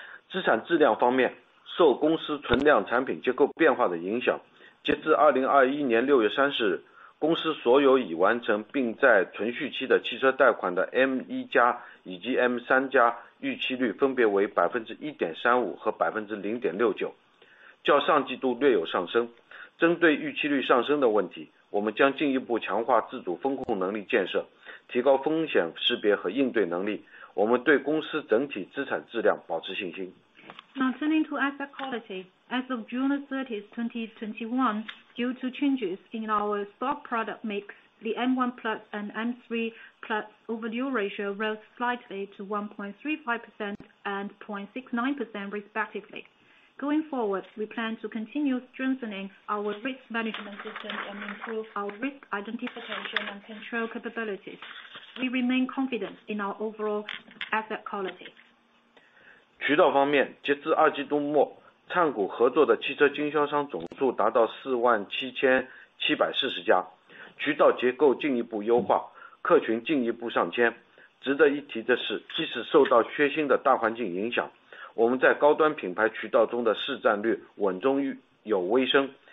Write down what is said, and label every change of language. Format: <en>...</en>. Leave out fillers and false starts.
<zh>资产质量方面，受公司存量产品结构变化的影响，截至2021年6月30日，公司所有已完成并在存续期的汽车贷款的 M1 加以及 M3 加预期率分别为 1.35% 和 0.69%， 较上季度略有上升。针对预期率上升的问题，我们将进一步强化自主风控能力建设，提高风险识别和应对能力。我们对公司整体资产质量保持信心。</zh> <en>Now turning to asset quality, as of June 30, 2021, due to changes in our stock product mix, the M1 plus and M3 plus overdue ratio rose slightly to 1.35% and 0.69% respectively. Going forward, we plan to continue strengthening our risk management system and improve our risk identification and control capabilities. We remain confident in our overall asset quality.</en> <zh>渠道方面，截至二季度末，灿谷合作的汽车经销商总数达到47,740家，渠道结构进一步优化，客群进一步上千。值得一提的是，即使受到缺芯的大环境影响，我们在高端品牌渠道中的市占率稳中有微升。</zh>